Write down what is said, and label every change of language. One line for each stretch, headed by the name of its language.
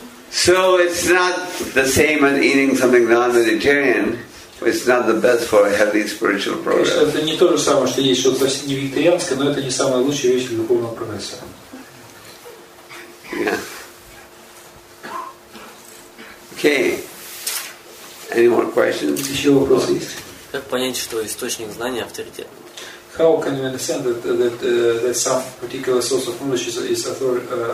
English: So it's not the same as eating something non-vegetarian. It's not the best for a healthy spiritual progress.
Russian: Это не то же самое, что есть что-то не вегетарианское, но это не самая лучшая вещь для духовного прогресса.
English: Okay. Any more questions?
Russian: Еще вопросы есть? Как понять, что источник знания авторитет?
English: How can you understand that some particular source of knowledge is authoritative?